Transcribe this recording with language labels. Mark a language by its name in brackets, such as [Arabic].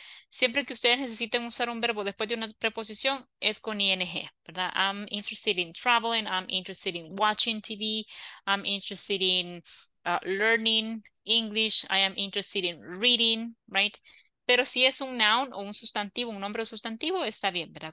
[Spanish] Siempre que ustedes necesiten usar un verbo después de una preposición, es con ing, ¿verdad? [English] I'm interested in traveling, I'm interested in watching TV, I'm interested in learning English, I am interested in reading, right? [Spanish] Pero si es un noun o un sustantivo, un nombre o sustantivo, está bien, ¿verdad?